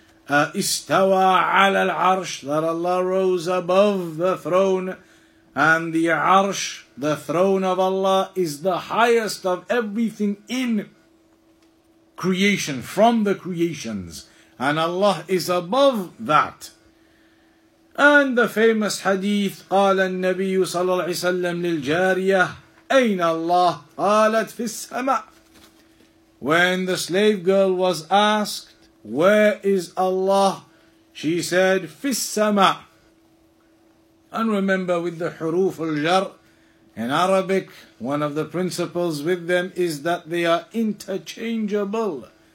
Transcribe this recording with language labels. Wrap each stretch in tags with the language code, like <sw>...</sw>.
<ar>إِسْتَوَى عَلَى الْعَرْشِ,</ar> <en>that Allah rose above the throne. And the arsh, the throne of Allah, is the highest of everything in creation, from the creations. And Allah is above that. And the famous hadith,</en> <ar>قال النبي صلى الله عليه وسلم للجارية, أين الله؟ قالت في السماء.</ar> <en>When the slave girl was asked, where is Allah? She said,</en> <ar>في السماء.</ar> <en>And remember, with the huruf al-jar in Arabic, one of the principles with them is that they are interchangeable.</en>